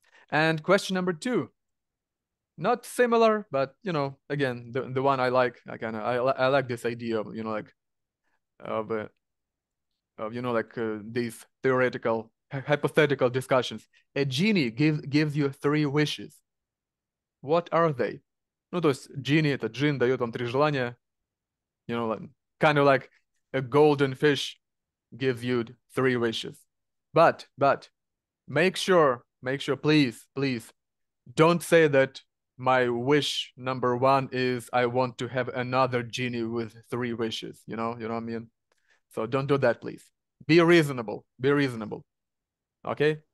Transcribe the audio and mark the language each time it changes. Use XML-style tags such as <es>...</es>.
<en>And question number two, not similar, but, you know, again, the one I like, I kind of, I like this idea of, you know, like, these theoretical, hypothetical discussions. A genie gives you three wishes. What are they?</en> <ru>Ну, то есть, genie, это джин, дает вам три желания.</ru> <en>You know, like, kind of like a golden fish gives you three wishes. But, Make sure, please, don't say that my wish number one is I want to have another genie with three wishes, you know what I mean? So don't do that, please. Be reasonable. Okay?</en>